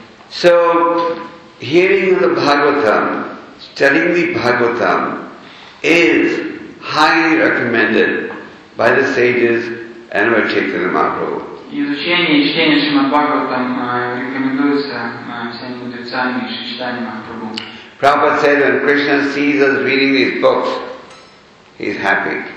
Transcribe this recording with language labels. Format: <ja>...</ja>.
<en>So, hearing the Bhagavatam, studying the Bhagavatam, is highly recommended by the sages and by Chaitanya Mahaprabhu.</en> <ru>Изучение и чтение Шримад Бхагаватам рекомендуется всеми мудрецами и Шичитани Махапрабху.</ru> <en>Prabhupada said, when Krishna sees us reading these books, he's happy.</en>